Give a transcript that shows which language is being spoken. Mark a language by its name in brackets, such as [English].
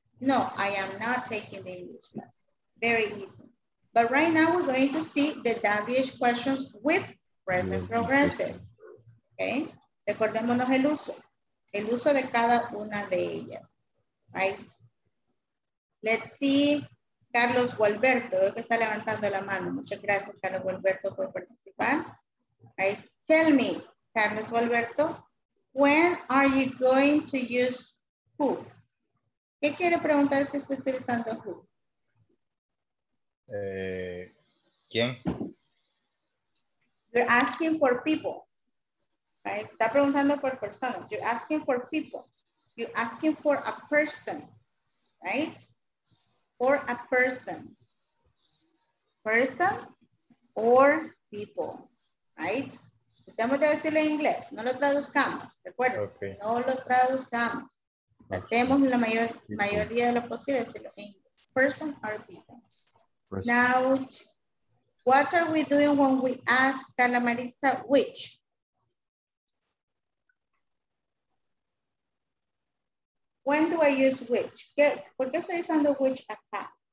[English] No, I am not taking the English class. Very easy. But right now we're going to see the WH questions with present progressive. Okay. [Spanish] Recordémonos el uso de cada una de ellas. [English] Right. Let's see, [Spanish] Carlos Gualberto, que está levantando la mano. Muchas gracias, Carlos Gualberto, por participar. Right. [English] Tell me, Carlos Gualberto, when are you going to use who? [Spanish] ¿Qué quiere preguntar si estoy utilizando who? ¿Quién? [English] You're asking for people. Right. [Spanish] Está preguntando por personas. [English] You're asking for people. You're asking for a person, right? For a person. Person or people, right? [Spanish] Tratemos de decirlo en inglés. No lo traduzcamos, ¿recuerdas? [English] Okay. [Spanish] No lo traduzcamos. Tratemos la mayoría de lo posible de decirlo en inglés. [English] Person or people. Person. Now, what are we doing when we ask Carla Maritza which? When do I use which? [Spanish] ¿Por qué estoy usando which acá?